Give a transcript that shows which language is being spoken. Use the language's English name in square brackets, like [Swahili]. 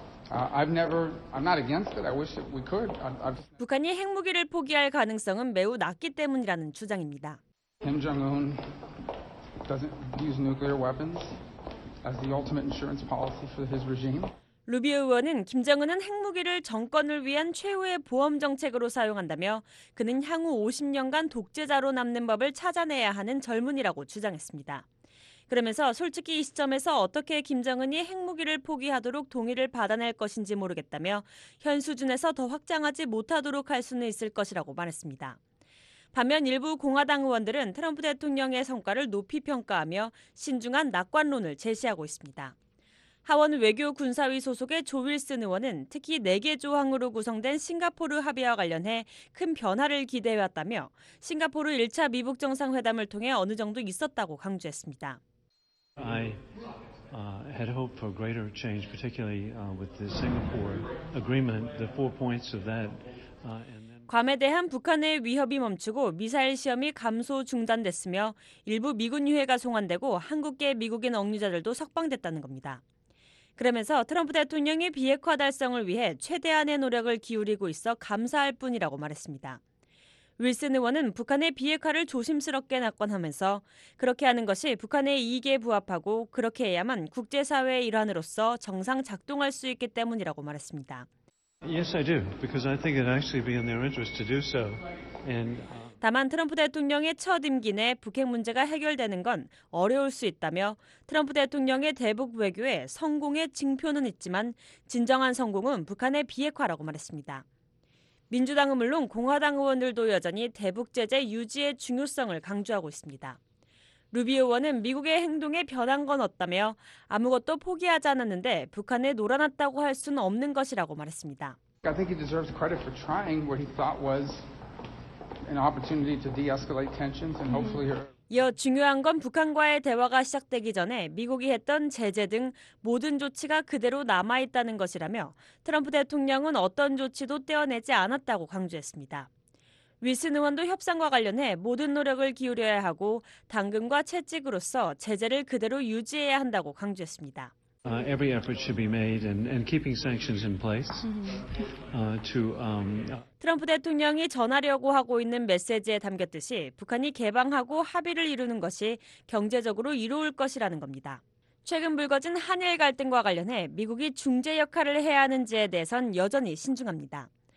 [English] I'm not against it. I wish that we could. [Korean] 북한이 핵무기를 포기할 가능성은 매우 낮기 때문이라는 주장입니다. [English] Kim Jong-un doesn't use nuclear weapons as the ultimate insurance policy for his regime. [Korean] 루비오 의원은 김정은은 핵무기를 정권을 위한 최후의 보험 정책으로 사용한다며 그는 향후 50년간 독재자로 남는 법을 찾아내야 하는 젊은이라고 주장했습니다. 그러면서 솔직히 이 시점에서 어떻게 김정은이 핵무기를 포기하도록 동의를 받아낼 것인지 모르겠다며 현 수준에서 더 확장하지 못하도록 할 수는 있을 것이라고 말했습니다. 반면 일부 공화당 의원들은 트럼프 대통령의 성과를 높이 평가하며 신중한 낙관론을 제시하고 있습니다. 하원 외교 군사위 소속의 조 윌슨 의원은 특히 4개 조항으로 구성된 싱가포르 합의와 관련해 큰 변화를 기대해왔다며 싱가포르 1차 미북 정상회담을 통해 어느 정도 있었다고 강조했습니다. [English] I had hope for greater change, particularly with the Singapore agreement, the four points of that. [Korean] 괌에 대한 북한의 위협이 멈추고 미사일 시험이 감소 중단됐으며 일부 미군 유해가 송환되고 한국계 미국인 억류자들도 석방됐다는 겁니다. 그러면서 트럼프 대통령이 비핵화 달성을 위해 최대한의 노력을 기울이고 있어 감사할 뿐이라고 말했습니다. 윌슨 의원은 북한의 비핵화를 조심스럽게 낙관하면서 그렇게 하는 것이 북한의 이익에 부합하고 그렇게 해야만 국제사회의 일환으로서 정상 작동할 수 있기 때문이라고 말했습니다. [English] Yes, I do, because I think it'd actually be in their interest to do so. [Korean] 다만 트럼프 대통령의 첫 임기 내 북핵 문제가 해결되는 건 어려울 수 있다며 트럼프 대통령의 대북 외교에 성공의 징표는 있지만 진정한 성공은 북한의 비핵화라고 말했습니다. 민주당은 물론 공화당 의원들도 여전히 대북 제재 유지의 중요성을 강조하고 있습니다. 루비오 의원은 미국의 행동에 변한 건 없다며 아무것도 포기하지 않았는데 북한에 놀아났다고 할 수는 없는 것이라고 말했습니다. [English] I think he deserves credit for trying what he thought was an opportunity to de-escalate tensions and hopefully. [Korean] 이어 중요한 건 북한과의 대화가 시작되기 전에 미국이 했던 제재 등 모든 조치가 그대로 남아 있다는 것이라며 트럼프 대통령은 어떤 조치도 떼어내지 않았다고 강조했습니다. 윌슨 의원도 협상과 관련해 모든 노력을 기울여야 하고 당근과 채찍으로서 제재를 그대로 유지해야 한다고 강조했습니다. [English] Every effort should be made and keeping sanctions in place. To [Korean] 트럼프 대통령이 전하려고 하고 있는 메시지에 담겼듯이 북한이 개방하고 합의를 이루는 것이 경제적으로 이루어질 것이라는 겁니다. 최근 불거진 한일 갈등과 관련해 미국이 중재 역할을 해야 하는지에 대해선 여전히 신중합니다.